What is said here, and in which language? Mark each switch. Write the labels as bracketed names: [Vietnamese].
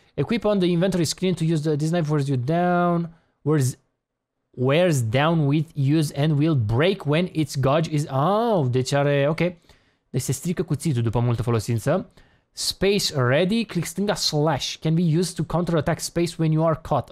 [English] Equip on the inventory screen to use the, this knife wears you down. Wears down with use and will break when its gauge is... [Romanian] Oh, deci are... Ok. Deci se strică cuțitul după multă folosință. [English] Space ready. Click [Romanian] stânga [English] slash. Can be used to counter attack space when you are caught.